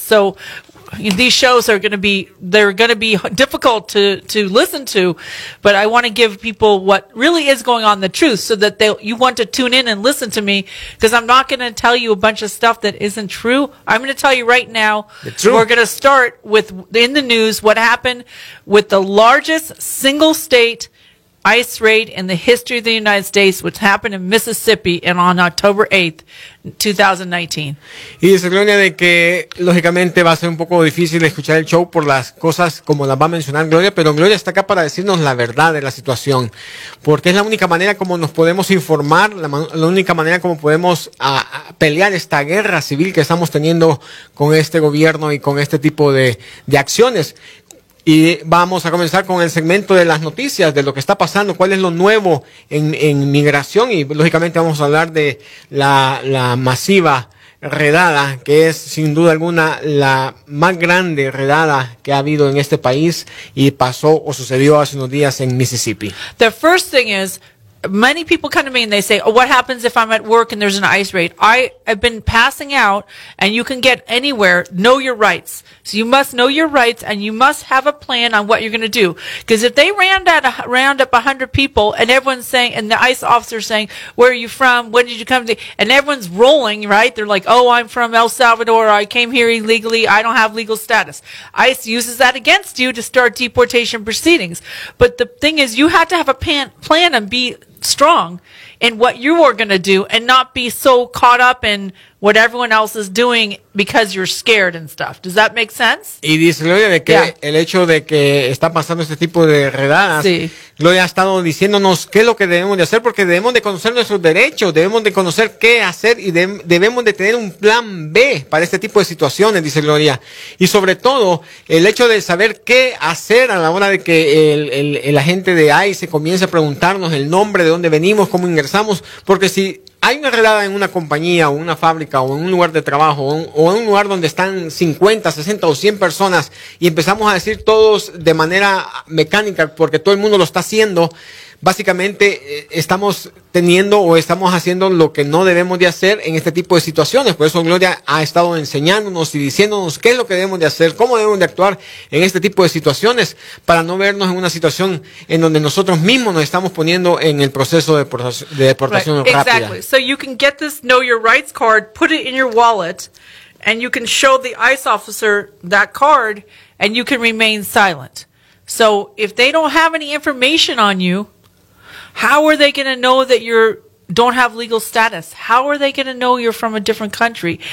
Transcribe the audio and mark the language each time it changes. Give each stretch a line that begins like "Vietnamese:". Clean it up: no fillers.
English: So these shows are going to be, they're going to be difficult to listen to, but I want to give people what really is going on, the truth, so that you want to tune in and listen to me, because I'm not going to tell you a bunch of stuff that isn't true. I'm going to tell you right now. The truth. We're going to start with, in the news, what happened with the largest single state ICE raid in the history of the United States, which happened in Mississippi and on October 8th, 2019.
Spanish: Y dice Gloria de que lógicamente va a ser un poco difícil escuchar el show por las cosas como las va a mencionar Gloria, pero Gloria está acá para decirnos la verdad de la situación, porque es la única manera como nos podemos informar, la única manera como podemos pelear esta guerra civil que estamos teniendo con este gobierno y con este tipo de acciones. Y vamos a comenzar con el segmento de las noticias, de lo que está pasando, cuál es lo nuevo en migración, y lógicamente vamos a hablar de la masiva redada, que es sin duda alguna la más grande redada que ha habido en este país y pasó o sucedió hace unos días en Mississippi.
English: The first thing is, many people come to me and they say, oh, what happens if I'm at work and there's an ICE raid? I have been passing out, and you can get anywhere. Know your rights. So you must know your rights, and you must have a plan on what you're going to do. Because if they round up 100 people, and everyone's saying, and the ICE officer's saying, where are you from? When did you come to? And everyone's rolling, right? They're like, oh, I'm from El Salvador. I came here illegally. I don't have legal status. ICE uses that against you to start deportation proceedings. But the thing is, you have to have a plan and be strong in what you are going to do and not be so caught up in what everyone else is doing because you're scared and stuff. Does that make sense?
Spanish: Y dice Gloria de que el hecho de que está pasando este tipo de redadas, sí. Gloria ha estado diciéndonos qué es lo que debemos de hacer, porque debemos de conocer nuestros derechos, debemos de conocer qué hacer y debemos de tener un plan B para este tipo de situaciones, dice Gloria. Y sobre todo, el hecho de saber qué hacer a la hora de que el agente de ICE comience a preguntarnos el nombre, de dónde venimos, cómo ingresamos, porque si hay una redada en una compañía o una fábrica o en un lugar de trabajo o en un lugar donde están 50, 60 o 100 personas y empezamos a decir todos de manera mecánica porque todo el mundo lo está haciendo, básicamente estamos teniendo o estamos haciendo lo que no debemos de hacer en este tipo de situaciones. Por eso Gloria ha estado enseñándonos y diciéndonos qué es lo que debemos de hacer, cómo debemos de actuar en este tipo de situaciones para no vernos en una situación en donde nosotros mismos nos estamos poniendo en el proceso de deportación
English: right.
Spanish: rápida.
English: Exactly. So you can get this Know Your Rights card, put it in your wallet, and you can show the ICE officer that card, and you can remain silent. So if they don't have any information on you, how are they going to know that you're don't have legal status. How are they going to know you're from a different country?